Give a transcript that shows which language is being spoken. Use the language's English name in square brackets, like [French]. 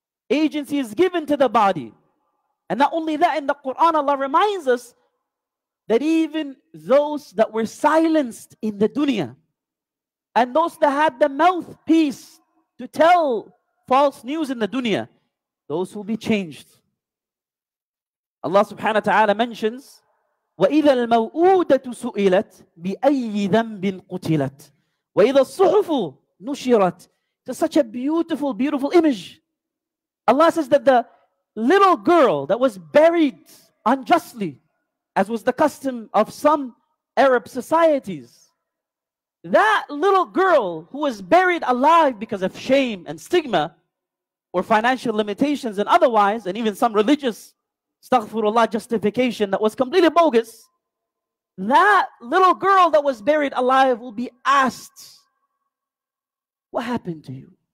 [English] Agency is given to the body. And not only that, in the Quran, Allah reminds us that even those that were silenced in the dunya and those that had the mouthpiece to tell false news in the dunya, those will be changed. Allah subhanahu wa ta'ala mentions, [Arabic] وَإِذَا الْمَوْءُودَةُ سُئِلَتْ بِأَيِّ ذَنْبٍ قُتِلَتْ وَإِذَا الصُّحُفُ نُشِرَتْ. [English] It's such a beautiful, beautiful image. Allah says that the little girl that was buried unjustly, as was the custom of some Arab societies, that little girl who was buried alive because of shame and stigma or financial limitations and otherwise, and even some religious, astaghfirullah, justification that was completely bogus, that little girl that was buried alive will be asked, what happened to you?